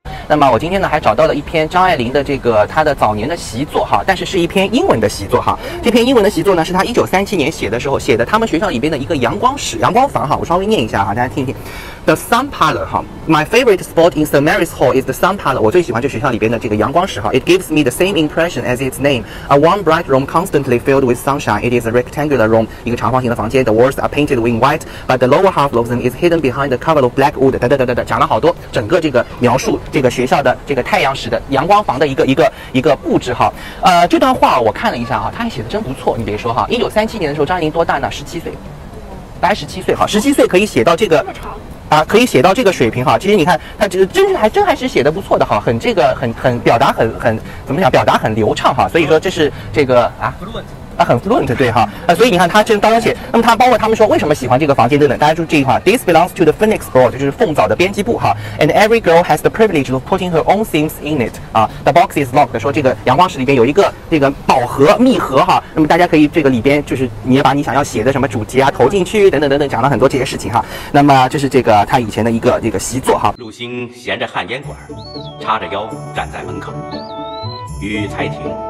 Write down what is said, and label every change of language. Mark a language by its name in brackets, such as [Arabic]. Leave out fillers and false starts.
[Chinese] 那么我今天呢还找到了一篇张爱玲的这个她的早年的习作哈，但是一篇英文的习作哈。这篇英文的习作呢是她1937年写的时候写的，他们学校里边的一个阳光房哈。我稍微念一下哈，大家听听。 [English] The Sun Parlor 哈 ，My favorite spot in St. Mary's Hall is the Sun Parlor。 [Chinese] 我最喜欢这学校里边的这个阳光室哈。 [English] It gives me the same impression as its name. A warm, bright room constantly filled with sunshine. It is a rectangular room， [Chinese] 一个长方形的房间。 [English] The walls are painted in white, but the lower half of them is hidden behind a cover of black wood。 [Chinese] 等等，讲了好多，整个这个描述这个学校的这个太阳室的阳光房的一个布置哈。这段话我看了一下哈，他还写的真不错。你别说哈，1937年的时候，张爱玲多大呢？ 17岁，大概17岁哈，17岁可以写到这个。啊，可以写到这个水平哈。其实你看，他这真还是写的不错的哈，很这个很表达很怎么讲，表达很流畅哈。所以说这是这个啊很 fluent 对哈啊。所以你看他这当中写，那么他包括他们说为什么喜欢这个房间等等，大家注意这一块。 [English] This belongs to the Phoenix Board， [Chinese] 就是凤藻的编辑部哈。 [English] And every girl has the privilege of putting her own things in it 啊。 The box is locked， [Chinese] 说这个阳光室里边有一个这个宝盒密盒哈。那么大家可以这个里边就是你也把你想要写的什么主题啊投进去等等，讲了很多这些事情哈。那么这是这个他以前的一个这个习作哈。陆星衔着旱烟管，叉着腰站在门口，雨才停。